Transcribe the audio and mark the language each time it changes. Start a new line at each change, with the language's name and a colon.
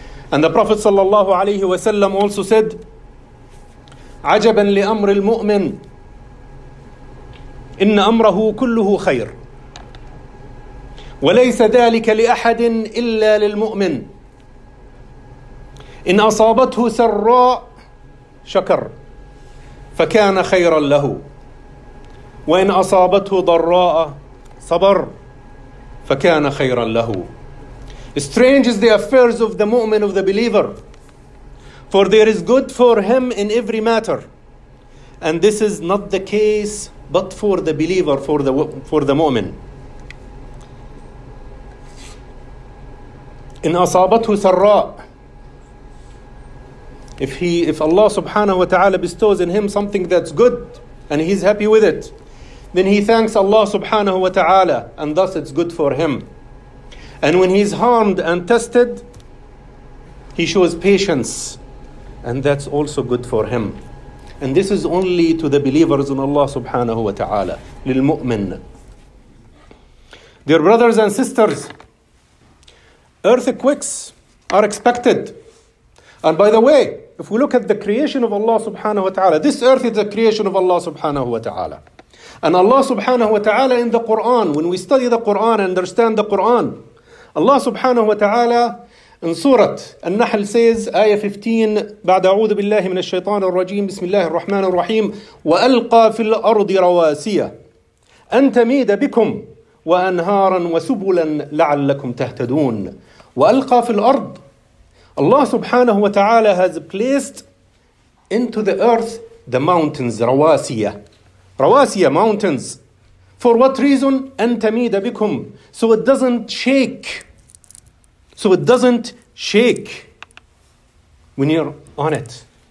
English: And the Prophet sallallahu alayhi wa sallam
Arabic: also said, عجبا لأمر المؤمن إن أمره كله خير وليس ذلك لأحد إلا للمؤمن إن أصابته سراء شكر فكان خيرا له وإن أصابته ضراء صبر فكان خيرا له.
English: Strange is the affairs of the mu'min, of the believer. For there is good for him in every matter. And this is not the case but for the believer, for the mu'min.
Arabic: In asabatu sarra,
English: if Allah subhanahu wa ta'ala bestows in him something that's good and he's happy with it, then he thanks Allah subhanahu wa ta'ala, and thus it's good for him. And when he's harmed and tested, he shows patience, and that's also good for him. And this is only to the believers in Allah subhanahu wa ta'ala, lil mu'min. Dear brothers and sisters, earthquakes are expected. And by the way, if we look at the creation of Allah subhanahu wa ta'ala, this earth is the creation of Allah subhanahu wa ta'ala. And Allah subhanahu wa ta'ala in the Quran, when we study the Quran and understand the Quran, Allah subhanahu wa ta'ala in Surah An-Nahl says, Ayah 15,
Arabic: بعد أعوذ بالله من الشيطان الرجيم بسم الله الرحمن الرحيم وألقى في الأرض
English: رواسية أن تميد بكم وأنهارا وسبلا لعلكم تهتدون وألقى في الأرض. Allah subhanahu wa ta'ala has placed into the earth the mountains, rawasiya. Rawasiya, mountains. For what reason?
Arabic: Antamida bikum.
English: So it doesn't shake. So it doesn't shake when you're on it.